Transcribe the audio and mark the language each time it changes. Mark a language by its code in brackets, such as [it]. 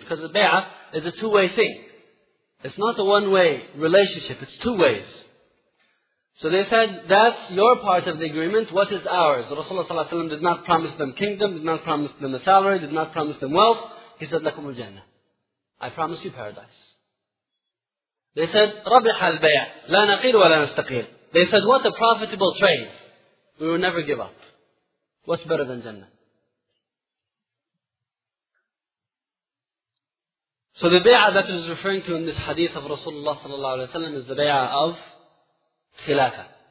[en] Because the bay'ah is a two-way thing. It's not a one-way relationship, it's two ways. So they said, that's your part of the agreement, what is ours? Rasulullah did not promise them kingdom, did not promise them a salary, did not promise them wealth. He said, [ar] لَكُمْ الْجَنَّةِ, [en] I promise you paradise. They said, [ar] رَبِحَ الْبَيْعَ لَا نَقِيرُ وَلَا نَسْتَقِيرُ. [en] They said, what a profitable trade. We will never give up. What's better than Jannah? So the bay'ah that is referring to in this hadith of Rasulullah sallallahu alayhi wa sallam is the bay'ah of khilafah.